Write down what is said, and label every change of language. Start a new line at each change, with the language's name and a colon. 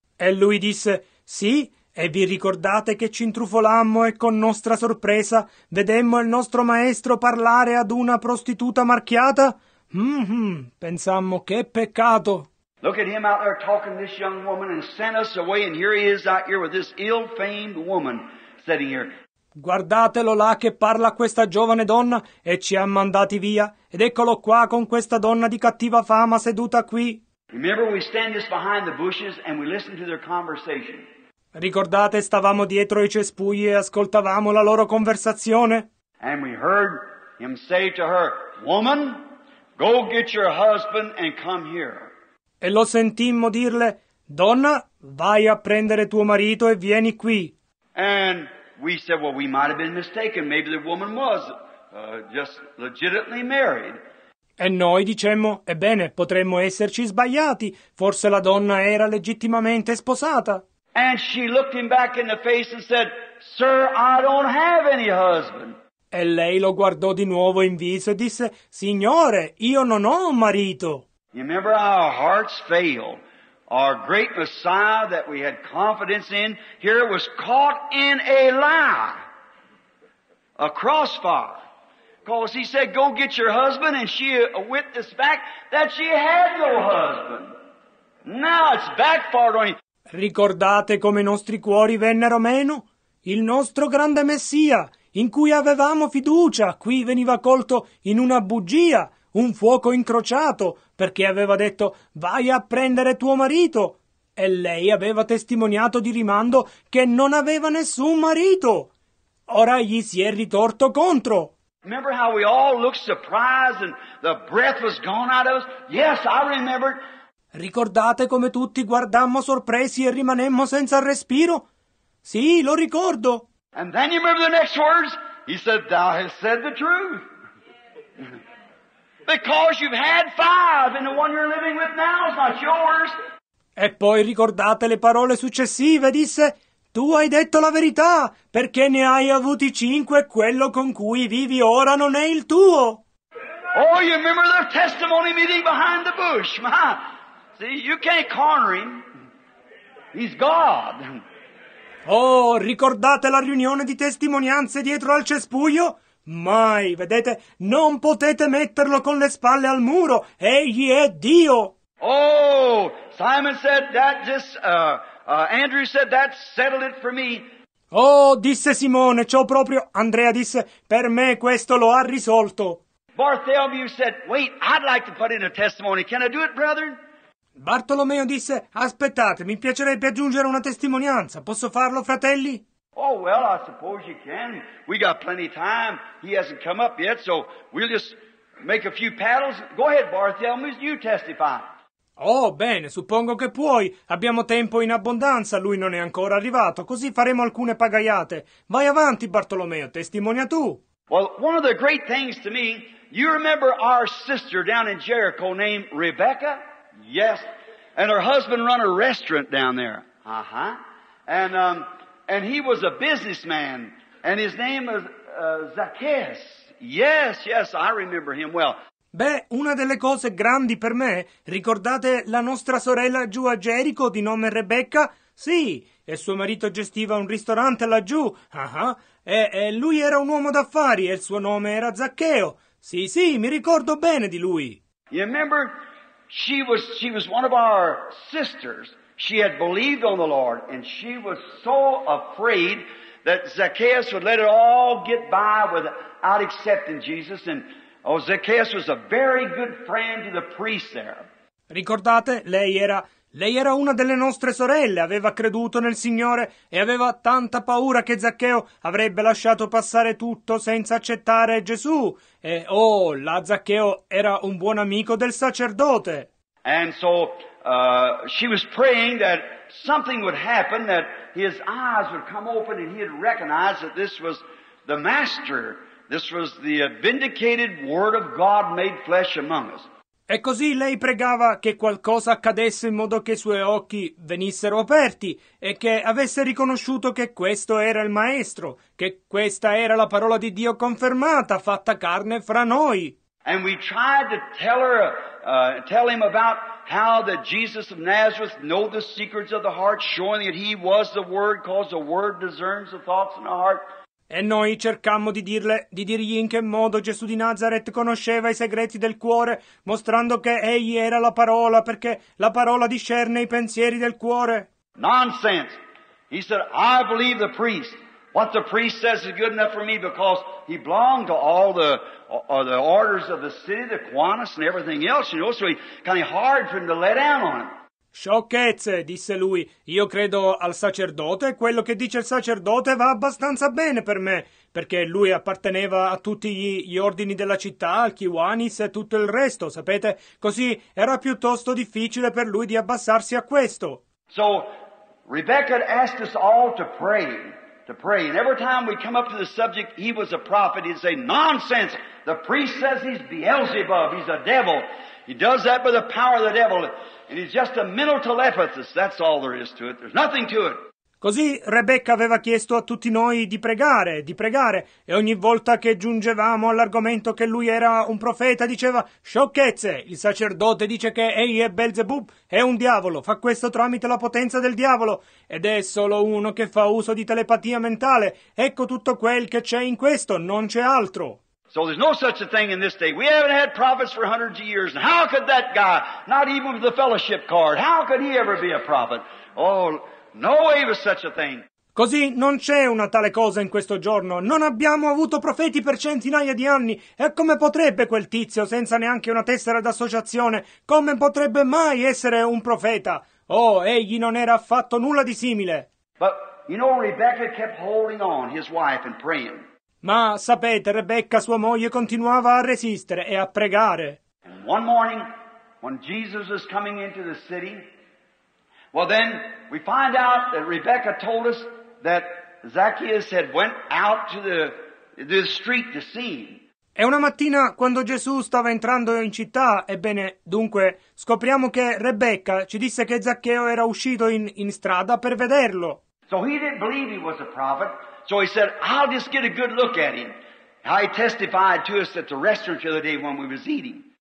Italian: E lui disse, sì, e vi ricordate che ci intrufolammo e con nostra sorpresa vedemmo il nostro maestro parlare ad una prostituta marchiata? Pensammo, che peccato.
English: Look at him out there talking to this young woman and sent us away and here he is out here with this ill-famed woman sitting here.
Italian: Guardatelo là che parla a questa giovane donna e ci ha mandati via. Ed eccolo qua con questa donna di cattiva fama seduta qui.
English: Remember we stand just behind the bushes and we listen to their conversation.
Italian: Ricordate, stavamo dietro i cespugli e ascoltavamo la loro conversazione.
English: And we heard him say to her, woman, go get your husband and come here.
Italian: E lo sentimmo dirle, donna, vai a prendere tuo marito e vieni qui.
English: And we said, well, we might have been mistaken. Maybe the woman was just legitimately married.
Italian: E noi dicemmo, ebbene, potremmo esserci sbagliati, forse la donna era legittimamente sposata.
English: And she looked him back in the face and said, sir, I don't have any husband.
Italian: E lei lo guardò di nuovo in viso e disse, signore, io non ho un marito.
English: You remember our hearts failed. Our great Messiah that we had confidence in here was caught in a lie, a crossfire. Because he said, go get your husband, and she witnessed back that she had no husband. Now it's backfired on you.
Italian: Ricordate come i nostri cuori vennero meno? Il nostro grande Messia, in cui avevamo fiducia, qui veniva colto in una bugia, un fuoco incrociato, perché aveva detto, vai a prendere tuo marito. E lei aveva testimoniato di rimando che non aveva nessun marito. Ora gli si è ritorto contro.
English: Remember how we all looked surprised and the breath was gone out of us? Yes, I remember.
Italian: Ricordate come tutti guardammo sorpresi e rimanemmo senza respiro? Sì, lo ricordo.
English: And then you remember the next words? He said, thou hast said the truth. Because you've had five and the one you're living with now is not yours.
Italian: E poi ricordate le parole successive, disse, tu hai detto la verità, perché ne hai avuti cinque e quello con cui vivi ora non è il tuo.
English: Oh, you remember the testimony meeting behind the bush? Ma, see, you can't corner him. He's God.
Italian: Oh, ricordate la riunione di testimonianze dietro al cespuglio? Mai, vedete, non potete metterlo con le spalle al muro. Egli è Dio.
English: Oh, Simon said that just, Andrew said that settled it for me.
Italian: Oh, disse Simone, ciò proprio, Andrea disse, per me questo lo ha risolto.
English: Bartholomew said, wait, I'd like to put in a testimony. Can I do it, brother?
Italian: Bartolomeo disse, aspettate, mi piacerebbe aggiungere una testimonianza. Posso farlo, fratelli?
English: Oh, well, I suppose you can. We got plenty of time. He hasn't come up yet, so we'll just make a few paddles. Go ahead, Bartholomew, you testify.
Italian: Oh, bene, suppongo che puoi. Abbiamo tempo in abbondanza. Lui non è ancora arrivato, così faremo alcune pagaiate. Vai avanti, Bartolomeo, testimonia tu.
English: Well, one of the great things to me, you remember our sister down in Jericho named Rebecca? Yes. And her husband run a restaurant down there. Uh-huh. And he was a businessman. And his name was Zacchaeus. Yes, yes, I remember him well.
Italian: Beh, una delle cose grandi per me, ricordate la nostra sorella giù a Gerico di nome Rebecca? Sì, e suo marito gestiva un ristorante laggiù. E lui era un uomo d'affari e il suo nome era Zaccheo. Sì, sì, mi ricordo bene di lui.
English: You remember? She was one of our sisters. She had believed on the Lord and she was so afraid that Zacchaeus would let it all get by without accepting Jesus. And oh, Zacchaeus was a very good friend to the priest there.
Italian: Ricordate, lei era una delle nostre sorelle, aveva creduto nel Signore e aveva tanta paura che Zaccheo avrebbe lasciato passare tutto senza accettare Gesù. E oh, là Zaccheo era un buon amico del sacerdote.
English: And so she was praying that something would happen, that his eyes would come open and he'd recognize that this was the Master. This was the vindicated Word of God made flesh among us.
Italian: E così lei pregava che qualcosa accadesse in modo che i suoi occhi venissero aperti e che avesse riconosciuto che questo era il Maestro, che questa era la parola di Dio confermata, fatta carne fra noi.
English: And we tried to tell her, tell him about how the Jesus of Nazareth knew the secrets of the heart, showing that he was the Word, because the Word discerns the thoughts in the heart.
Italian: E noi cercammo di dirgli in che modo Gesù di Nazareth conosceva i segreti del cuore, mostrando che egli era la parola, perché la parola discerne i pensieri del cuore.
English: Nonsense! He said, I believe the priest. What the priest says is good enough for me because he belonged to all the orders of the city, the Kiwanis and everything else, you know, so it's kind of hard for him to let down on it.
Italian: Sciocchezze, disse lui, io credo al sacerdote e quello che dice il sacerdote va abbastanza bene per me, perché lui apparteneva a tutti gli ordini della città, al Kiwanis e tutto il resto, sapete? Così era piuttosto difficile per lui di abbassarsi a questo.
English: So, Rebecca asked us all to pray, and every time we come up to the subject, he was a prophet, he'd say, nonsense, the priest says he's Beelzebub, he's a devil. He does that by the power of the devil, and he's just a mental telepathy. That's all there is to it. There's nothing to it.
Italian: Così Rebecca aveva chiesto a tutti noi di pregare, e ogni volta che giungevamo all'argomento che lui era un profeta, diceva, sciocchezze, il sacerdote dice che egli è Beelzebub, è un diavolo, fa questo tramite la potenza del diavolo, ed è solo uno che fa uso di telepatia mentale. Ecco tutto quel che c'è in questo, non c'è altro.
English: So there's no such a thing in this day. We haven't had prophets for hundreds of years. How could that guy, not even with the fellowship card, how could he ever be a prophet? Oh, no way was such a thing.
Italian: Così non c'è una tale cosa in questo giorno. Non abbiamo avuto profeti per centinaia di anni. E come potrebbe quel tizio senza neanche una tessera d'associazione? Come potrebbe mai essere un profeta? Oh, egli non era affatto nulla di simile.
English: But, you know, Rebecca kept holding on, his wife, and praying.
Italian: Ma, sapete, Rebecca, sua moglie, continuava a resistere e a pregare.
English: And one morning, when Jesus was coming into the city, well then, we find out that Rebecca told us that Zacchaeus had went out to the street to see him.
Italian: E una mattina, quando Gesù stava entrando in città, ebbene, dunque, scopriamo che Rebecca ci disse che Zaccheo era uscito in strada per vederlo.
English: So he didn't believe he was a prophet. So he said, I'll just get a good look at him. I testified to us at the restaurant the other day when we was eating.